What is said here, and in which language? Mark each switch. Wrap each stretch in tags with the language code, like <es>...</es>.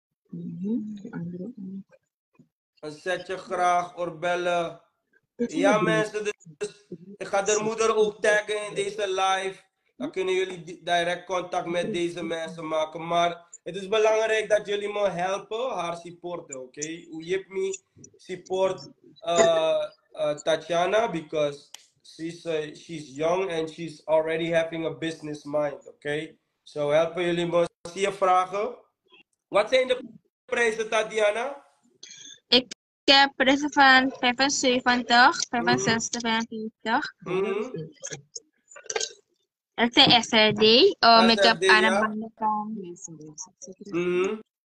<nl>Een setje graag, oorbellen. Ja mensen, dus ik ga de moeder ook taggen in deze live. Dan kunnen jullie direct contact met deze mensen maken. Maar het is belangrijk dat jullie me helpen, haar supporten, oké?</nl> <en>Okay?</en> <nl>Je hebt me support</nl> <en>Tatiyana, because she's young and she's already having a business mind, oké? Okay? So</en> <nl>helpen jullie me. Zie je vragen? Wat zijn de prijzen, Tatiyana? Ik heb prijzen van 75, 65, 45. Dat zijn SRD, make-up armbanden van.</nl>